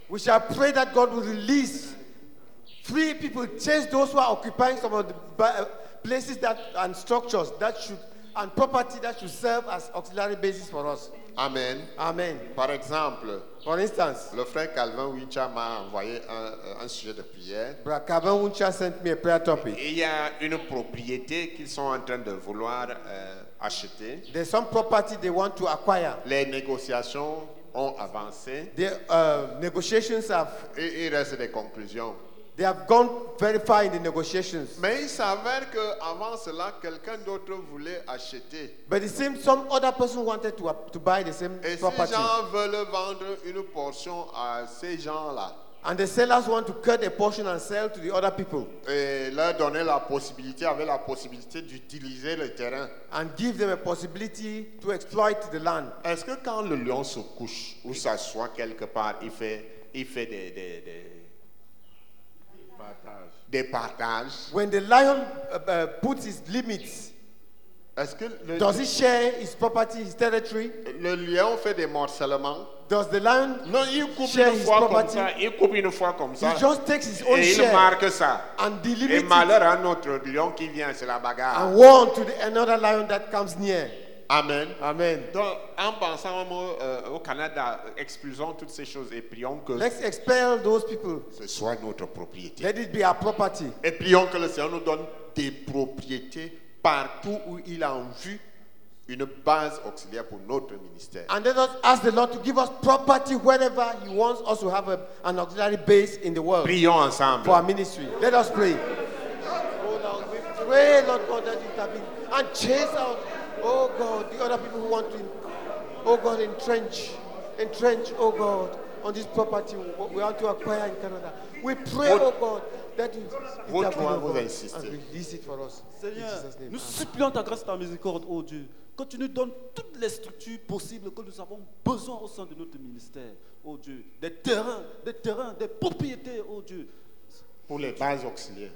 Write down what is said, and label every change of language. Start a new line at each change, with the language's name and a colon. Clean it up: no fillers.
English: We shall pray that God will release free people, change those who are occupying some of the places that and structures that should and property that should serve as auxiliary basis for us. Amen. Amen.
French: Par exemple,
English: for instance,
French: le frère Calvin Wincha m'a envoyé un sujet de prière.
English: Brother Calvin Wincha sent me a prayer topic.
French: Il y a une propriété qu'ils sont en train de vouloir acheter.
English: There's some property they want to acquire.
French: Les négociations ont avancé.
English: The negotiations have.
French: Il reste des conclusions.
English: They have gone very far in the negotiations.
French: Mais il s'avère que avant cela, quelqu'un d'autre voulait acheter.
English: But it seems some other person wanted to buy the same
French: et
English: property.
French: Et ces gens veulent vendre une portion à ces gens-là.
English: And the sellers want to cut a portion and sell to the other people.
French: Et leur donner la possibilité, avec la possibilité d'utiliser le terrain.
English: And give them a possibility to exploit the land.
French: Est-ce que quand le lion se couche ou s'assoit quelque part, il fait des partages.
English: When the lion puts his limits,
French: est-ce que
English: does he share his property, his territory?
French: Le lion fait des morcellements.
English: Does the lion
French: non, il coupe
English: share
French: une fois
English: his property?
French: Comme ça. Il coupe une fois comme ça.
English: He just takes his own
French: et
English: share
French: il marque ça.
English: And delimits.
French: Et malheur à notre lion qui vient, c'est la bagarre.
English: And warn to the another lion that comes near. Amen. Amen.
French: Donc, en pensant au Canada, expulsons toutes ces choses et prions que
English: let's expel those people.
French: Ce soit notre propriété.
English: Let it be our property.
French: Et prions que le Seigneur nous donne des propriétés partout où il a en vue une base auxiliaire pour notre ministère.
English: And let us ask the Lord to give us property wherever he wants us to have an auxiliary base in the world.
French: Prions ensemble.
English: For our ministry. Let us pray. Oh, Lord, we pray, Lord God, that you have been and chase out. Oh God, the other people who want to, entrench, oh God, on this property we want to acquire in Canada. We pray, oh God, that you would release it for us.
French: Seigneur, nous supplions ta grâce et ta miséricorde, oh Dieu, que tu nous donnes toutes les structures possibles que nous avons besoin au sein de notre ministère, oh Dieu, des terrains, des propriétés, oh Dieu. Pour les bases auxiliaires.